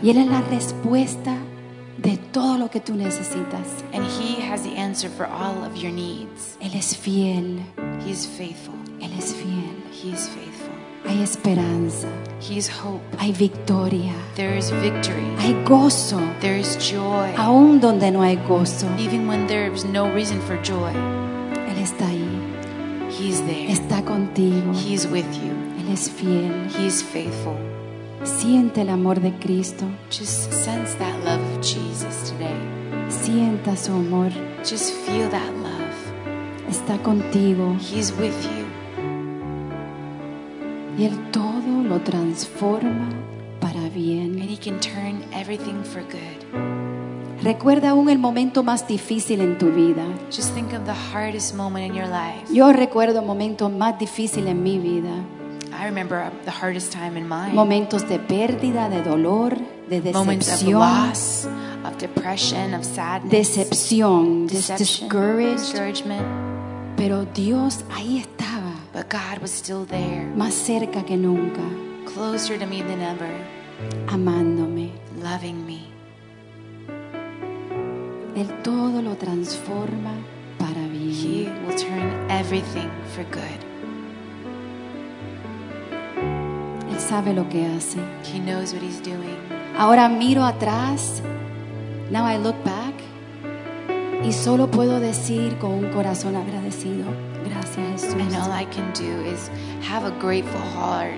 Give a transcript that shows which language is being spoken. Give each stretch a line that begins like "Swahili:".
Spanish: Y él es la respuesta de todo lo que tú necesitas.
English: And he has the answer for all of your needs.
Spanish: Él es fiel.
English: He is faithful.
Spanish: Él es fiel.
English: He is faithful.
Spanish: Hay esperanza.
English: He is hope.
Spanish: Hay victoria.
English: There is victory.
Spanish: Hay gozo.
English: There is joy.
Spanish: Aún donde no hay gozo.
English: Even when there is no reason for joy.
Spanish: Él está ahí.
English: He is there.
Spanish: Está contigo.
English: He is with you.
Spanish: Él es fiel.
English: He is faithful.
Spanish: Siente el amor de Cristo.
English: Just sense that love of Jesus today.
Spanish: Sienta su amor.
English: Just feel that love.
Spanish: Está contigo.
English: He is with you.
Spanish: Y él todo lo transforma para bien.
English: And he can turn everything for good.
Spanish: Recuerda aún el momento más difícil en tu vida.
English: Just think of the hardest moment in your life.
Spanish: Yo recuerdo momentos más difíciles en mi vida.
English: I remember the hardest time in mine.
Spanish: Momentos de pérdida, de dolor, de decepción.
English: Moments of loss, of depression, of sadness.
Spanish: Decepción,
English: discouragement.
Spanish: Pero Dios ahí estaba.
English: But God was still there.
Spanish: Más cerca que nunca.
English: Closer to me than ever.
Spanish: Amándome.
English: Loving me.
Spanish: Él todo lo transforma para bien.
English: He will turn everything for good.
Spanish: Él sabe lo que hace.
English: He knows what he's doing.
Spanish: Ahora miro atrás.
English: Now I look back.
Spanish: Y solo puedo decir con un corazón agradecido, gracias Jesús.
English: And all I can do is have a grateful heart.